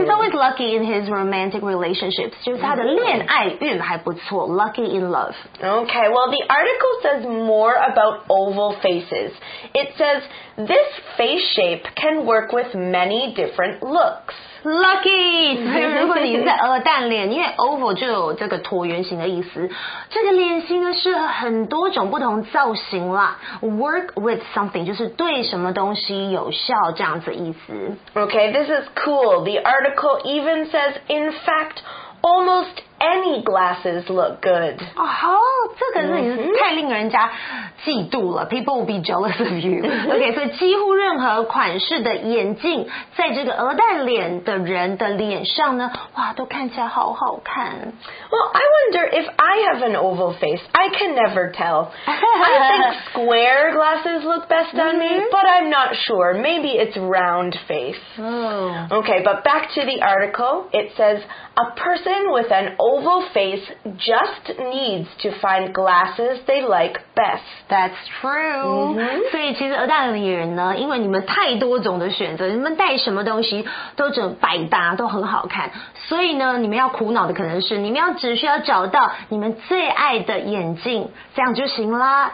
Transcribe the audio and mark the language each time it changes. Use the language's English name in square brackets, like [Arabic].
[English] he's always lucky in his romantic relationships. [Chinese] 就是他的恋爱运还不错 [English] lucky in love. Okay, well, the article says more about oval faces. It says, this face shape can work with many different looks. Lucky! [Chinese] 如果你是鹅蛋脸，因为 oval 就有这个椭圆形的意思，这个脸型呢适合很多种不同造型啦。 [English] Work with something [Chinese] 就是对什么东西有效这样子意思。 [English] Okay, this is cool. The article even says, in fact, almost any glasses look good. [Chinese] Oh, 这个是太令人家嫉妒了。 [English] People will be jealous of you. [Chinese] Okay, 所以几乎任何款式的眼镜，在这个鹅蛋脸的人的脸上呢，哇，都看起来好好看。 [English] Well, I wonder if I have an oval face. I can never tell. I think square glasses look best on me, but I'm not sure. Maybe it's round face. Okay, but back to the article. It says, a person with an oval face just needs to find glasses they like best. That's true.、 Mm-hmm. [Chinese] 所以其实鹅蛋脸呢，因为你们太多种的选择，你们戴什么东西都整百搭，都很好看。所以呢，你们要苦恼的可能是，你们要只需要找到你们最爱的眼镜，这样就行啦。